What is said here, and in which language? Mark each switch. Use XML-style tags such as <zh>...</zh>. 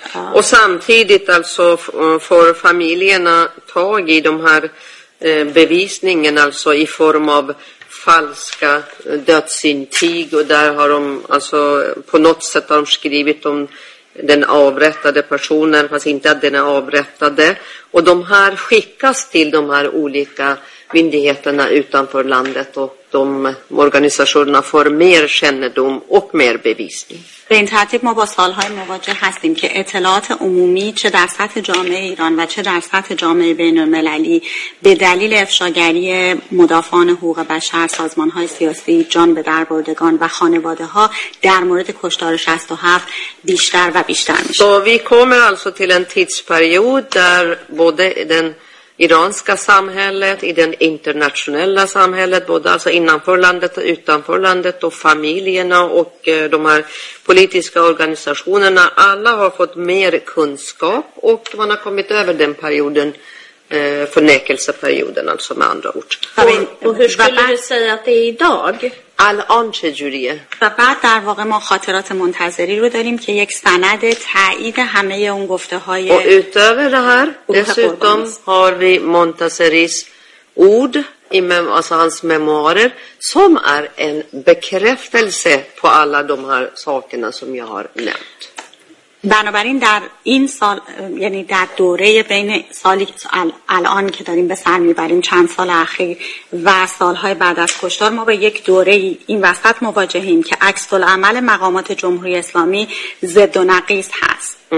<sv>و samtidigt alltså får familjerna tag i de här bevisningen alltså i form av falska dödsintyg och där har de alltså på något sätt har de skrivit om den avrättade personen fast inte att den är avrättade och de här skickas till de här olika myndigheterna utanför landet och de organisationerna får mer kännedom och mer bevisning.</sv> <fa>به این ترتیب ما با سالهای مواجه هستیم که اطلاعات عمومی چه در سطح جامعه ایران و چه در سطح جامعه بین المللی به دلیل افشاگری مدافعان حقوق بشر، سازمانهای سیاسی، جان به در بردگان و خانواده ها در مورد کشتار 67 بیشتر و بیشتر میشه.</fa> <sv>Så vi kommer alltså till en tidsperiod där både den iranska samhället, i den internationella samhället, både alltså innanför landet och utanför landet och familjerna och de här politiska organisationerna, alla har fått mer kunskap och man har kommit över den perioden, förnekelseperioden alltså med andra ord. Och hur skulle du säga att det är idag?</sv> <fa>الان چجوریه؟ و بعد در واقع ما خاطرات منتظری رو داریم که یک سند تایید همه اون گفته های</fa> <sv>و utöver det här dessutom har vi Montazeris ord i hans memoarer som är en bekräftelse på alla de här sakerna som jag har nämnt.</sv> <fa>بنابراین در این سال، یعنی در دوره بین سالی الان که داریم به سر میبریم، چند سال اخیر و سالهای بعد از کشتار، ما به یک دوره این وسط مواجهیم که عکس العمل مقامات جمهوری اسلامی ضد و نقیض هست.</fa>